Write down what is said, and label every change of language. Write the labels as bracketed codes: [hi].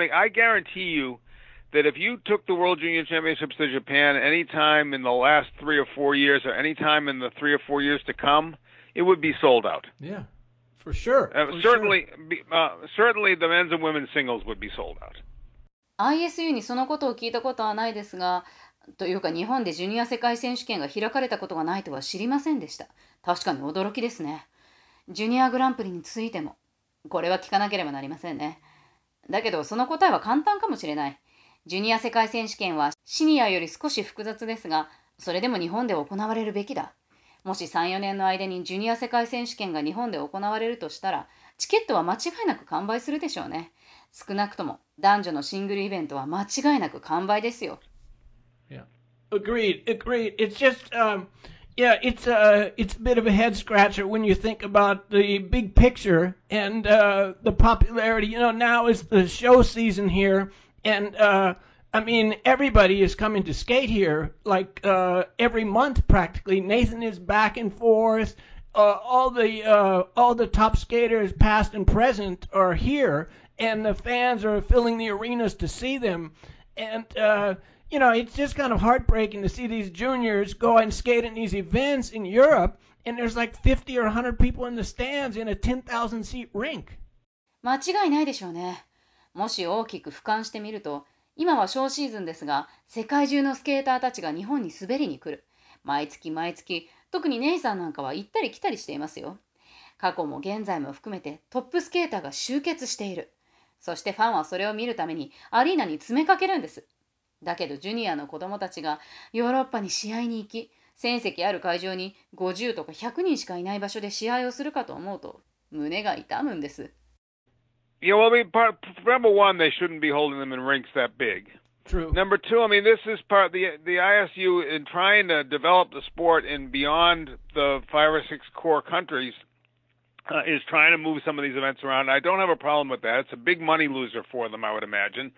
[en] I guarantee you that if you took the World Junior Championships to Japan any time in the last 3 or 4 years, or any time in the 3 or 4 years to come, it would be sold out. Yeah, for sure. Certainly, the men's and women's singles would be sold out. [ja] ISU にそのことを聞いたことはないですが、というか日本でジュニア世界選手権が開かれたことがないとは知りませんでした。確かに驚きですね。ジュニアグランプリについても、これは聞かなければなりませんね。だけどその答えは簡単かもしれない。ジュニア世界選手権はシニアより少し複雑ですが、それでも日本で行われるべきだ。もし 3,4 年の間にジュニア世界選手権が日本で行われるとしたら、チケットは間違いなく完売するでしょうね。少なくとも男女のシングルイベントは間違いなく完売ですよ。 [en] Yeah. Agreed. It's just, it's a bit of a head scratcher when you think about the big picture and the popularity. You know, now is the show season here, and I mean, everybody is coming to skate here, like every month practically. Nathan is back and forth. All the top skaters, past and present, are here, and the fans are filling the arenas to see them. And you know, it's just kind of heartbreaking to see these juniors go and skate in these events in Europe, and there's like 50 or 100 people in the stands in a 10,000 seat rink. [ja] 間違いないでしょうね。もし大きく俯瞰してみると。今はショーシーズンですが、世界中のスケーターたちが日本に滑りに来る。毎月毎月、特にネイさんなんかは行ったり来たりしていますよ。過去も現在も含めてトップスケーターが集結している。そしてファンはそれを見るためにアリーナに詰めかけるんです。だけどジュニアの子供たちがヨーロッパに試合に行き、1000席ある会場に50とか100人しかいない場所で試合をするかと思うと胸が痛むんです。 [en] Yeah, well, I mean, part, number one, they shouldn't be holding them in rinks that big. True. Number two, I mean, this is part, the ISU in trying to develop the sport in beyond the five or six core countries is trying to move some of these events around. I don't have a problem with that. It's a big money loser for them, I would imagine.